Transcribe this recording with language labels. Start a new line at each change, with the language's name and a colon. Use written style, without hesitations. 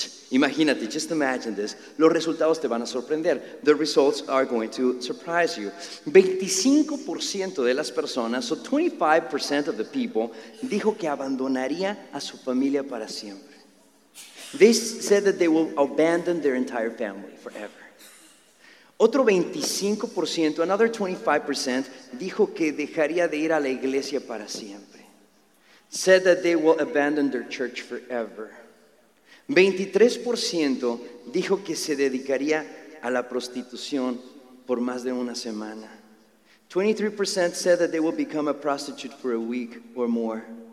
Spanish: Imagínate,
English: just imagine this.
Spanish: Los resultados te van a sorprender.
English: The results are going to surprise you.
Spanish: 25% de las personas,
English: so 25% of the people,
Spanish: dijo que abandonaría a su familia para siempre.
English: They said that they will abandon their entire family forever.
Spanish: Otro 25%,
English: another 25%,
Spanish: dijo que dejaría de ir a la iglesia para siempre.
English: Said that they will abandon their church forever.
Spanish: 23% dijo que se dedicaría a la prostitución por más de una semana.
English: 23% said that they will become a prostitute for a week or more.